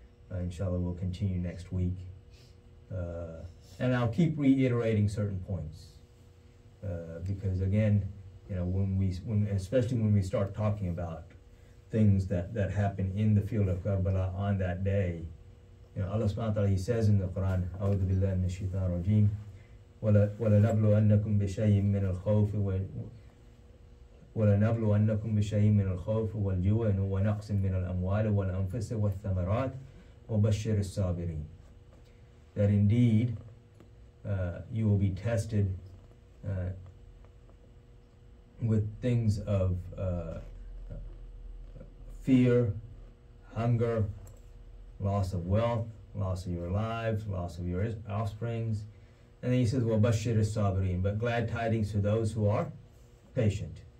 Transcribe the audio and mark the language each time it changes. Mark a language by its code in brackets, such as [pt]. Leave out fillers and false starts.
[en] Inshallah, we'll continue next week. And I'll keep reiterating certain points because, again, when we start talking about things that happen in the field of Karbala on that day. Allah subhanahu wa ta'ala, He says in the Quran, [ar] أعوذ بالله من الشيطان الرجيم ولنبلونكم بشيء من الخوف ولنبلونكم بشيء من الخوف والجوع ونقص من الأموال والأنفس والثمرات وبشر الصابرين. [en] That indeed you will be tested with things of fear, hunger, loss of wealth, loss of your lives, loss of your offsprings. And then he says, well, bashir is sabreen, but glad tidings to those who are patient.